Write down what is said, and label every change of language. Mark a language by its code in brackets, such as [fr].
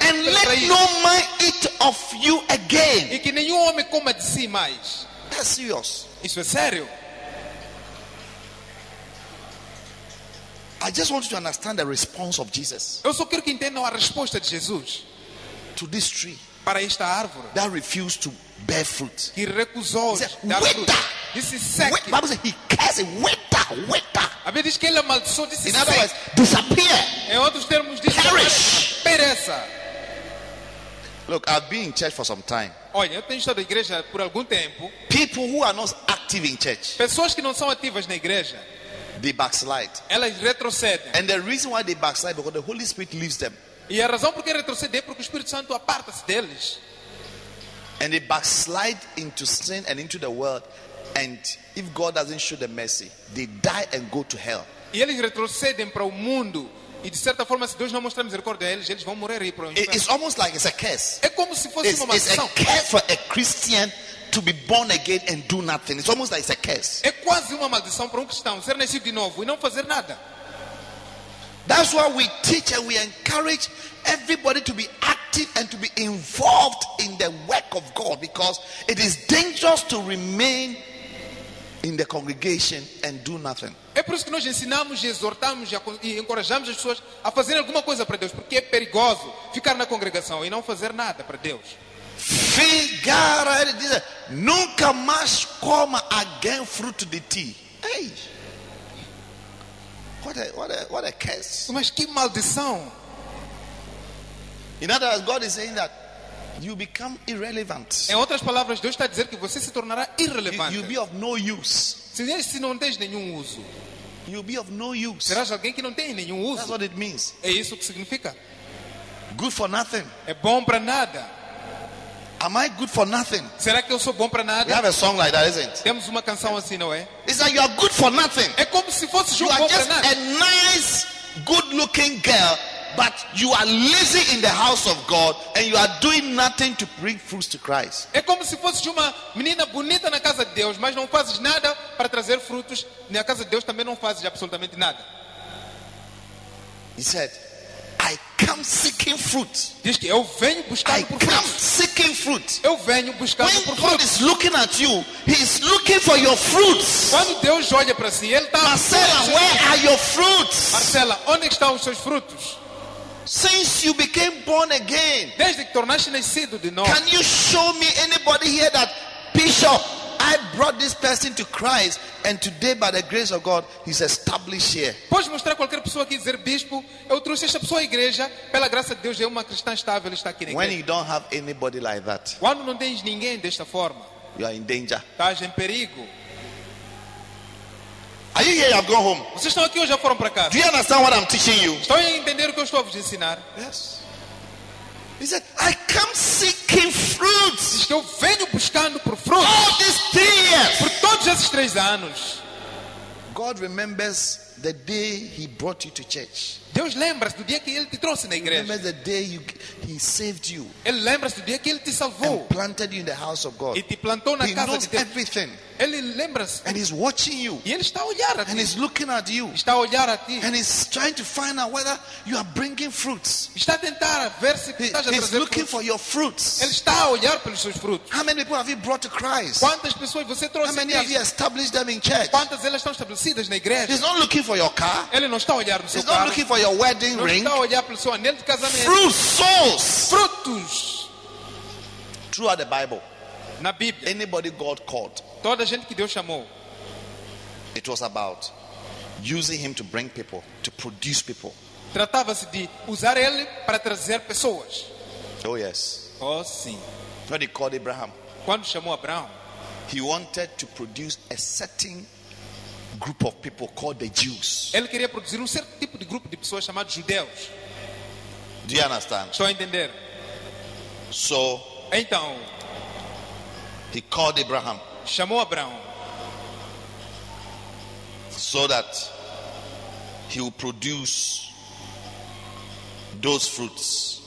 [en] And let no man eat of you again. [pt] E que nenhum homem coma de si mais. [en] That's serious. [pt] Isso é sério. [en] I just want you to understand the response of Jesus. [pt] Eu só quero que entendam a resposta de Jesus [en] to this tree. [pt] Para esta árvore. That refused to bear fruit. Que recusou dar fruto. Disse seque. [en] The Bible says he cursed it. Wither. [pt] A Bíblia diz que ele amaldiçoou. Disse [en] seque. In other words, disappear. [pt] Em outros termos, disse [en] perish. [pt] Pereça. [en] Look, I've been in church for some time. [pt] Olha, eu tenho estado na igreja por algum tempo. [en] People who are not active in church. [pt] Pessoas que não são ativas na igreja. [en] They backslide. [pt] Elas retrocedem. [en] And the reason why they backslide is because the Holy Spirit leaves them. [pt] E a razão por que retrocedem é porque o Espírito Santo aparta-se deles. [en] And they backslide into sin and into the world. And if God doesn't show them mercy, they die and go to hell. [pt] E eles retrocedem para o mundo. E de certa forma, se Deus não mostrar misericórdia a eles, eles vão morrer aí para o inferno. [en] It's almost like it's a curse. [pt] É como se fosse uma maldição. [en] It's a curse for a Christian to be born again and do nothing. It's almost like it's a curse. [pt] É quase uma maldição para cristão ser nascido de novo e não fazer nada. [en] That's why we teach and we encourage everybody to be active and to be involved in the work of God, because it is dangerous to remain in the congregation and do nothing. [pt] É por isso que nós ensinamos, exortamos e encorajamos as pessoas a fazer alguma coisa para Deus, porque é perigoso ficar na congregação e não fazer nada para Deus. Figara, ele diz, nunca mais coma again fruto de ti. [en] Ei, what a curse! [pt] Mas que maldição! [en] In other words, God is saying that you become irrelevant. [pt] Em outras palavras, Deus está a dizer que você se tornará irrelevante. [en] You'll be of no use. [pt] Se não tens nenhum uso. [en] You'll be of no use. [pt] Serás alguém que não tem nenhum uso. [en] That's what it means. [pt] É isso que significa. [en] Good for nothing. [pt] É bom para nada. [en] Am I good for nothing? [pt] Será que eu sou bom para nada? [en] We have a song like that, isn't it? [pt] Temos uma canção assim, não é? [en] It's like you are good for nothing. [pt] É como se fosse [en] you [pt] bom [en] are just [pt] nada. [en] A nice, good-looking girl, but you are lazy in the house of God and you are doing nothing to bring fruits to Christ. [pt] É como se fosse uma menina bonita na casa de Deus, mas não fazes nada para trazer frutos na casa de Deus, também não fazes absolutamente nada. [en] He said, I come seeking fruit. [pt] Diz que eu venho buscar por frutos. [en] I come seeking fruit. [pt] Eu venho buscar por frutos. [en] When God is looking at you, He is looking for your fruits. [pt] Quando Deus olha para si, ele está. [en] Marcela, where are your fruits? [pt] Marcela, onde estão os seus frutos? [en] Since you became born again, [pt] desde que tornaste nascido de novo. [en] Can you show me anybody here that Bishop, I brought this person to Christ and today by the grace of God he's established here. [pt] Pode mostrar qualquer pessoa aqui dizer bispo, eu trouxe esta pessoa à igreja, pela graça de Deus é uma cristã estável, está aqui na igreja. [en] When you don't have anybody like that. [pt] Quando não tens ninguém desta forma. [en] You are in danger. [pt] Estás em perigo. [en] Are you here? I've gone home. [pt] Vocês estão aqui ou já foram para casa? [en] Do you understand what I'm teaching you? [pt] Estão a entender o que eu estou a vos ensinar? [en] Yes. He said, I come seeking fruits. [pt] Diz que eu venho buscando por frutos. [en] All these 3 years. [pt] Por todos esses 3 anos. [en] God remembers the day he brought you to church. [pt] Deus lembra-se do dia que ele te trouxe na igreja. [en] Remember the day you, he saved you. [pt] Ele lembra-se do dia que ele te salvou. [en] And planted you in the house of God. [pt] E te plantou na [en] he [pt] casa [en] knows [pt] de Deus. [en] Everything. [pt] Ele lembra-se. [en] And he's watching you. [pt] E ele está a olhar a ti. [en] And he's looking at you. [pt] Está a olhar a ti. [en] And he's trying to find out whether you are bringing fruits. [pt] Está a tentar ver se estás a trazer [en] fruits. He's looking for your fruits. [pt] Ele está a olhar pelos seus frutos. [en] How many people have you brought to Christ? [pt] Quantas pessoas você trouxe? [en] How many have you established them in church? [pt] Quantas elas estão estabelecidas na igreja? [en] He's not looking for your car. [pt] Ele não está a olhar no seu carro. [en] He's not looking for your wedding [pt] não [en] ring. [pt] Não está a olhar pelo seu anel de casamento. [en] Fruits, souls. [pt] Frutos. [en] Throughout the Bible. [pt] Na Bíblia. [en] Anybody God called. [pt] Toda gente que Deus chamou. [en] It was about using him to bring people, to produce people. [pt] Tratava-se de usar ele para trazer pessoas. [en] Oh yes. [pt] Oh sim. [en] When he called Abraham. [pt] Quando chamou Abraão. [en] He wanted to produce a certain group of people called the Jews. [pt] Ele queria produzir certo tipo de grupo de pessoas chamado judeus. [en] Do you understand? [pt] Estou a entender. [en] So. [pt] Então. [en] He called Abraham. [pt] Chamou Abraão. [en] So that he will produce those fruits.